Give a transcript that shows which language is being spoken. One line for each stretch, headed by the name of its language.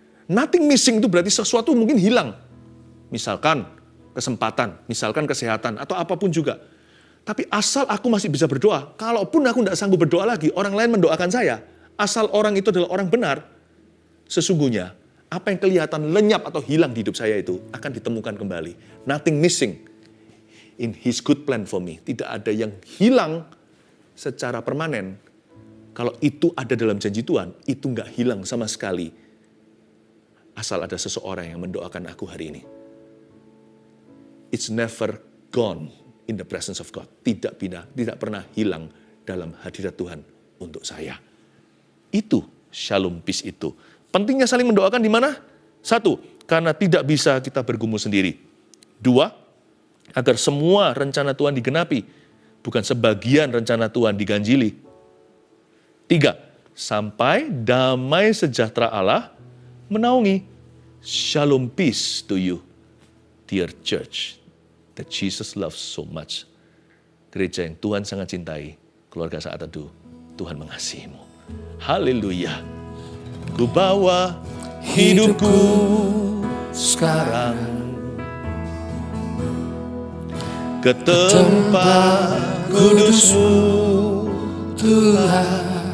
English: Nothing missing
Indonesian: itu berarti sesuatu mungkin hilang. Misalkan kesempatan, misalkan kesehatan, atau apapun juga. Tapi asal aku masih bisa berdoa, kalaupun aku tidak sanggup berdoa lagi, orang lain mendoakan saya. Asal orang itu adalah orang benar, sesungguhnya apa yang kelihatan lenyap atau hilang di hidup saya itu akan ditemukan kembali.
English: Nothing missing in his good plan for me.
Indonesian: Tidak ada yang hilang secara permanen. Kalau itu ada dalam janji Tuhan, itu enggak hilang sama sekali. Asal ada seseorang yang mendoakan aku hari ini.
English: It's never gone in the presence of God.
Indonesian: Tidak pernah hilang dalam hadirat Tuhan untuk saya. Itu shalom peace itu. Pentingnya saling mendoakan di mana? Satu, karena tidak bisa kita bergumul sendiri. Dua, agar semua rencana Tuhan digenapi, bukan sebagian rencana Tuhan diganjili. Tiga, sampai damai sejahtera Allah menaungi.
English: Shalom peace to you, dear church that Jesus loves so much.
Indonesian: Gereja yang Tuhan sangat cintai, keluarga Saat Teduh, Tuhan mengasihimu. Haleluya. Ku bawa hidupku sekarang ke tempat kudusmu Tuhan.